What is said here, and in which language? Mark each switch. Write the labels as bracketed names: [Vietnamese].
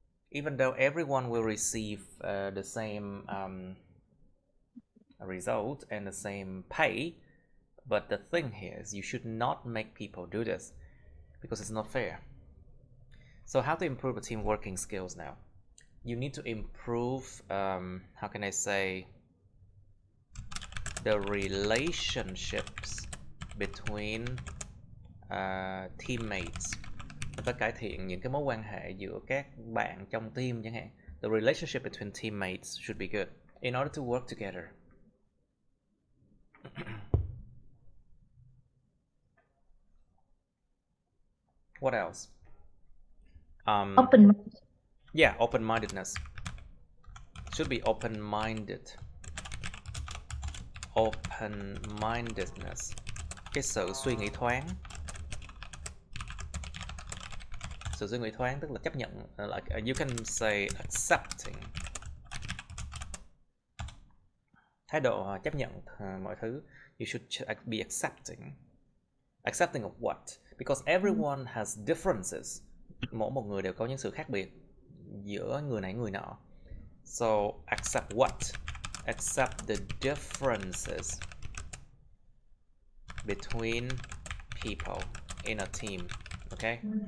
[English] Even though everyone will receive the same result and the same pay, but the thing here is you should not make people do this because it's not fair. So how to improve the team working skills now? You need to improve, how can I say, the relationships between teammates. [Vietnamese] Và cải thiện những cái mối quan hệ giữa các bạn trong team chẳng hạn. [English] The relationship between teammates should be good in order to work together. What else? Open. Yeah, open-mindedness. Should be open-minded. [Vietnamese] Open-mindedness. Cái sự suy nghĩ thoáng. Sự suy nghĩ thoáng tức là chấp nhận, [English] like you can say accepting. [Vietnamese] Thái độ chấp nhận mọi thứ. [English] You should be accepting. Accepting of what? Because everyone has differences. [Vietnamese] Mỗi một người đều có những sự khác biệt giữa người này người nọ. [English] So, accept what? Accept the differences between people in a team. Okay?